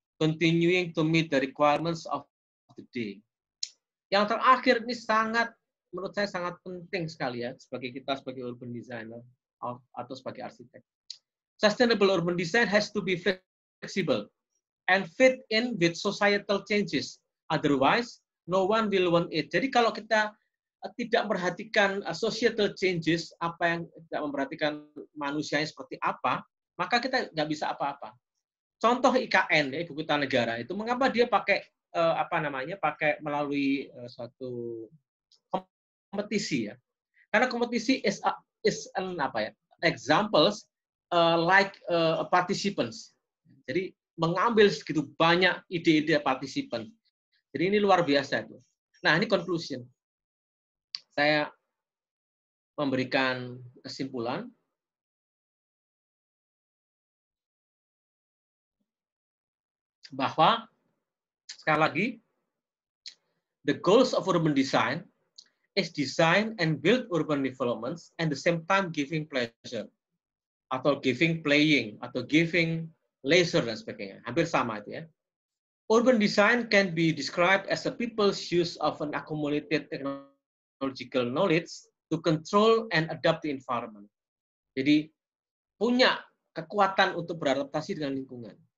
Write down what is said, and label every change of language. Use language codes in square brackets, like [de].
[en] Continuing to meet the requirements of the day. [id] Yang terakhir, ini sangat, menurut saya sangat penting sekali ya, sebagai kita, sebagai urban designer, atau sebagai arsitek. [en] Sustainable urban design has to be flexible and fit in with societal changes. Otherwise, no one will want it. [id] Jadi kalau kita tidak memperhatikan societal changes, apa yang tidak memperhatikan manusianya seperti apa, maka kita nggak bisa apa-apa. Contoh IKN, ya, Ibu Kota Negara, itu mengapa dia pakai melalui suatu kompetisi ya? Karena kompetisi [en] is an example like participants. [id] Jadi mengambil segitu banyak ide-ide participant. Jadi ini luar biasa itu. Nah, ini conclusion. Saya memberikan kesimpulan. Bahwa, sekali lagi, [en] the goals of urban design is design and build urban developments and the same time giving pleasure. [id] Atau [en] giving playing, [id] atau [en] giving leisure [id] dan sebagainya. Hampir sama itu ya. [en] Urban design can be described as a people's use of an accumulated technological knowledge to control and adapt the environment. [id] Jadi punya kekuatan untuk beradaptasi dengan lingkungan.